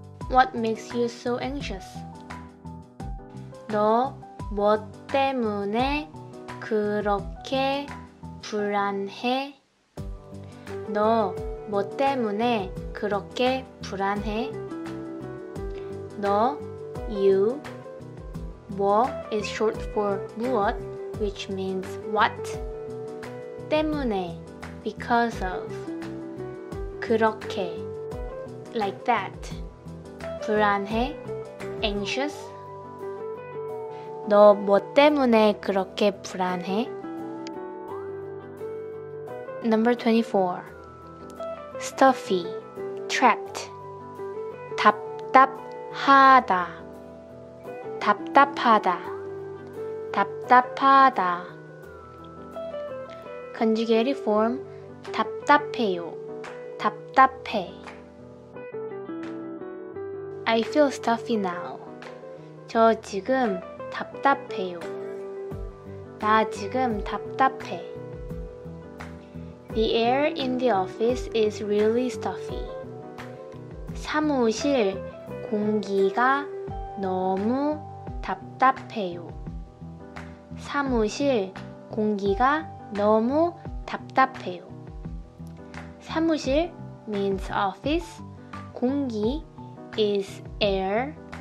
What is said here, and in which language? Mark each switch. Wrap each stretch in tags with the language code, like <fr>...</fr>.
<en>What makes you so anxious?</en> <ko>너 뭐 때문에 그렇게 불안해? 너 뭐 때문에 그렇게 불안해? 너 you</ko> <en>뭐 is short for 무엇 which means what</en> <ko>때문에</ko> <en>because of</en> <ko>그렇게</ko> <en>like that</en> <ko>불안해</ko> <en>anxious</en> <ko>너 뭐 때문에 그렇게 불안해?</ko> <en>Number 24 Stuffy Trapped</en> <ko>답답하다 답답하다 답답하다</ko> <en>conjugated form 답답해요</en> <ko>답답해</ko> <en>I feel stuffy now</en> <ko>저 지금 답답해요 나 지금 답답해</ko> <en>The air in the office is really stuffy</en> <ko>사무실 공기가 너무 답답해요 사무실 공기가 너무 답답해요</ko> <en>사무실 means office 공기 is air</en>